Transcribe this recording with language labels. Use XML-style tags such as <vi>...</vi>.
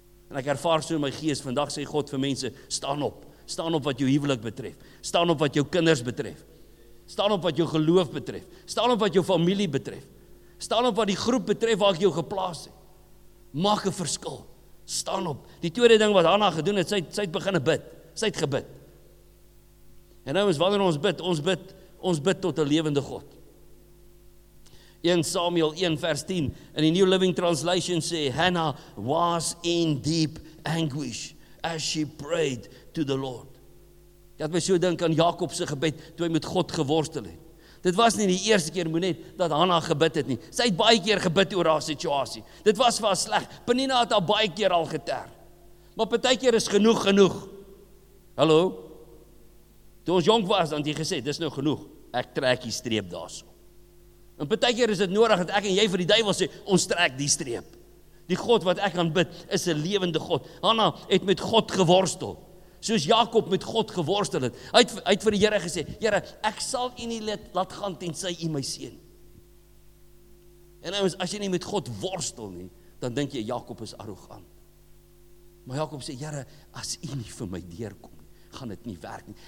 <af>En ek ervaar so in my gees, vandag sê God vir mense, staan op wat jou huwelik betref, staan op wat jou kinders betref, staan op wat jou geloof betref, staan op wat jou familie betref, staan op wat die groep betref waar ek jou geplaas het. Maak een verskil, staan op. Die tweede ding wat Hannah gedoen het, sy het beginne bid, sy het gebid. En nou is wanneer ons bid tot een levende God. 1 Samuel 1 vers 10, in die</af> <en>New Living Translation</en> <af>sê,</af> <en>Hannah was in deep anguish as she prayed to the Lord.</en> <af>Jy had my so dink aan Jakob se gebed, toe hy met God geworstel het. Dit was nie die eerste keer, moet net, dat Hanna gebid het nie. Sy het baie keer gebid oor haar situasie. Dit was vir haar sleg. Penina het haar baie keer al geter. Maar op die keer is genoeg. Hallo? Toe ons jong was, dan het jy gesê, dis nou genoeg. Ek trek die streep daar so. En op die keer is dit nodig, dat ek en jy vir die duivel sê, ons trek die streep. Die God wat ek aanbid, is 'n lewende God. Hanna het met God geworstel. Soos Jakob met God geworstel het, hy het vir die Here gesê, Here, ek sal u nie laat gaan tensy u my seën. En nou, as jy nie met God worstel nie, dan denk jy, Jakob is arrogant. Maar Jakob sê, Here, as u nie vir my deurkom, gaan dit nie werk nie.</af>